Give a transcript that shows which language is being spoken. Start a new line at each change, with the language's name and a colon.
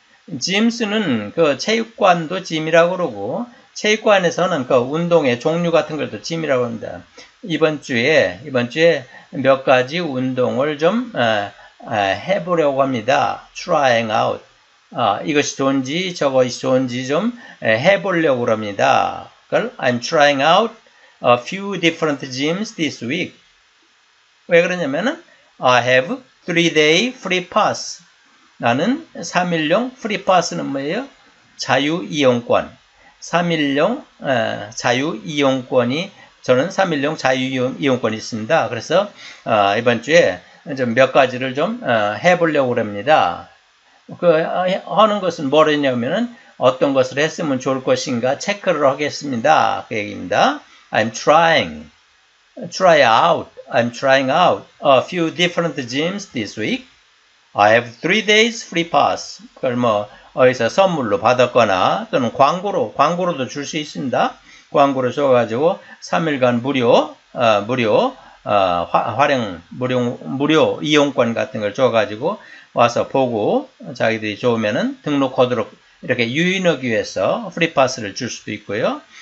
Korean: Gyms는 그 체육관도 gym이라고 그러고 체육관에서는 그 운동의 종류 같은 것도 짐이라고 합니다. 이번 주에 몇 가지 운동을 좀 해보려고 합니다.
English: Trying out.
Korean: 이것이 좋은지 저것이 좋은지 좀 해보려고 합니다. 그러니까
English: I'm trying out a few different gyms this week.
Korean: 왜 그러냐면은
English: I have 3-day free pass.
Korean: 나는 3일용 free pass는 뭐예요? 자유 이용권. 3일용 자유 이용권이 저는 3일용 자유 이용권이 있습니다. 그래서 이번 주에 좀 몇 가지를 좀 해보려고 합니다. 그 하는 것은 뭐냐면은 어떤 것을 했으면 좋을 것인가 체크를 하겠습니다. 그 얘기입니다.
English: I'm trying, try out. I'm trying out a few different gyms this week. I have 3 days free pass.
Korean: 그걸 뭐 어디서 선물로 받았거나 또는 광고로도 줄 수 있습니다. 광고를 줘가지고 3일간 무료 이용권 같은 걸 줘가지고 와서 보고 자기들이 좋으면은 등록하도록 이렇게 유인하기 위해서 프리파스를 줄 수도 있고요.